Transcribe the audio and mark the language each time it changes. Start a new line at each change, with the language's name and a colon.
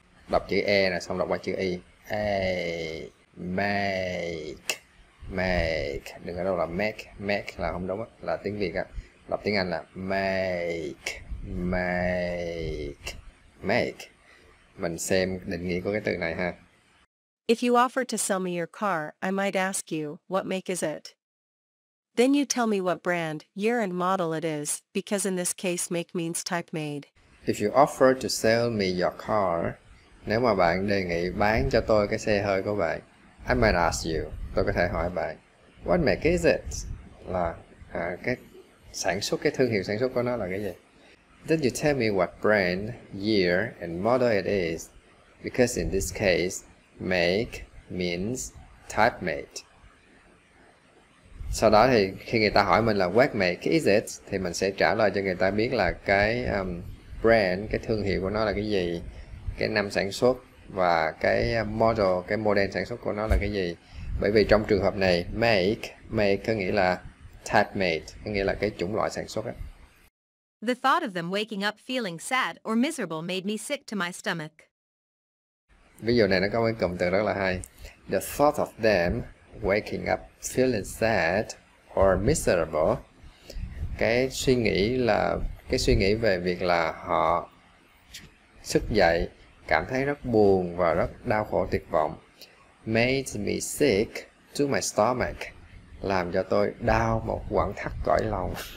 Vietnamese: Đọc chữ e là xong, đọc qua chữ y. A make, make. Đừng có đâu là make, make là không đúng á, là tiếng Việt á. Đọc tiếng Anh là make, make, make. Mình xem định nghĩa của cái từ này ha.
English: If you offer to sell me your car, I might ask you, what make is it? Then you tell me what brand, year and model it is, because in this case make means type made. If you offer to sell me your car,
Vietnamese: nếu mà bạn đề nghị bán cho tôi cái xe hơi của bạn,
English: I might ask you,
Vietnamese: tôi có thể hỏi bạn,
English: what make is it?
Vietnamese: Là cái sản xuất, cái thương hiệu sản xuất của nó là cái gì?
English: Then you tell me what brand, year and model it is, because in this case, make means type made.
Vietnamese: Sau đó thì khi người ta hỏi mình là
English: what make is it,
Vietnamese: thì mình sẽ trả lời cho người ta biết là cái brand, cái thương hiệu của nó là cái gì, cái năm sản xuất và cái model, cái model sản xuất của nó là cái gì. Bởi vì trong trường hợp này make, make có nghĩa là type made, có nghĩa là cái chủng loại sản xuất ấy.
English: The thought of them waking up feeling sad or miserable made me sick to my stomach.
Vietnamese: Ví dụ này nó có một cụm từ rất là hay.
English: The thought of them waking up feeling sad or miserable.
Vietnamese: Cái suy nghĩ về việc là họ thức dậy cảm thấy rất buồn và rất đau khổ tuyệt vọng.
English: Made me sick to my stomach.
Vietnamese: Làm cho tôi đau một quặng thắt cõi lòng.